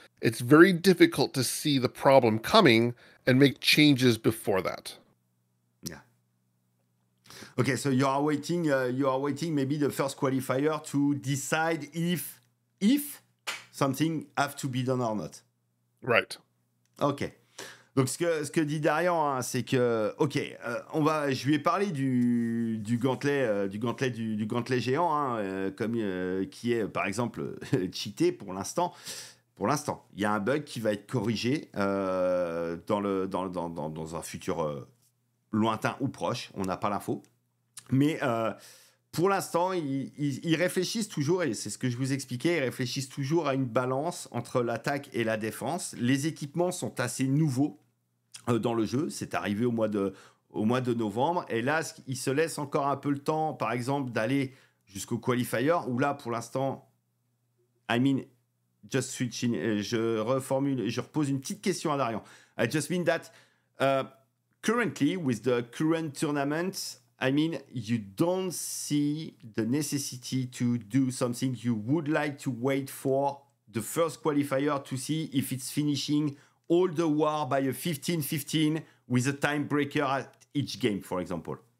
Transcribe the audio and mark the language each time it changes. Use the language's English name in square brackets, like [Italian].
[English] It's very difficult to see the problem coming and make changes before that. Okay, so you are waiting maybe the first qualifier to decide if something have to be done or not. Right. Ok. [French] Donc, ce que dit Darian, hein, c'est que... Ok, je lui ai parlé du gantelet géant, hein, qui est, par exemple, cheaté pour l'instant. Pour l'instant, il y a un bug qui va être corrigé dans un futur lointain ou proche. On n'a pas l'info. Mais... pour l'instant, ils réfléchissent toujours, et c'est ce que je vous expliquais, ils réfléchissent toujours à une balance entre l'attaque et la défense. Les équipements sont assez nouveaux dans le jeu, c'est arrivé au mois de novembre, et là, ils se laissent encore un peu le temps, par exemple, d'aller jusqu'au qualifier, où là, pour l'instant, je repose une petite question à Darian. [English] I just mean that, currently, with the current tournament, I mean, you don't see the necessity to do something. You would like to wait for the first qualifier to see if it's finishing all the war by a 15-15 with a tiebreaker at each game, for example.